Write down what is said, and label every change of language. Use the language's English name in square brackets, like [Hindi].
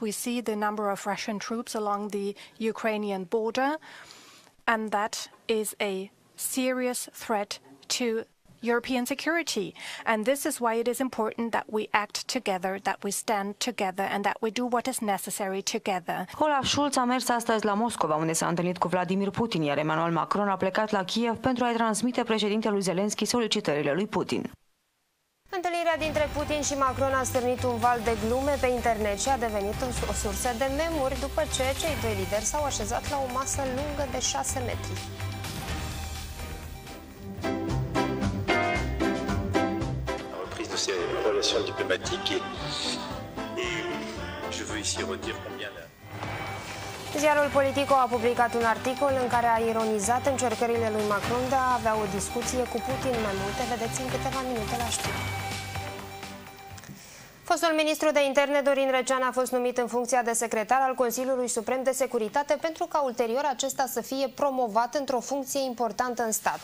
[English] We see the number of Russian troops along the Ukrainian border, and that is a serious threat to European security. And this is why it is important that we act together, that we stand together, and that we do what is necessary together. [Romanian] Olaf Scholz a mers astăzi la Moscova, unde s-a întâlnit cu Vladimir Putin, iar Emmanuel Macron a plecat la Kiev pentru a-i transmite președintelui Zelensky solicitările lui Putin. Întâlnirea dintre Putin și Macron a stârnit un val de glume pe internet și a devenit o sursă de memuri după ce cei doi lideri s-au așezat la o masă lungă de 6 metri. [French] La reprise de ces relations diplomatiques et je veux ici redire combien la... [Romanian] Ziarul Politico a publicat un articol în care a ironizat încercările lui Macron de a avea o discuție cu Putin. Mai multe vedeți în câteva minute la știri. Fostul ministru de interne Dorin Recean a fost numit în funcția de secretar al Consiliului Suprem de Securitate pentru ca ulterior acesta să fie promovat într-o funcție importantă în stat.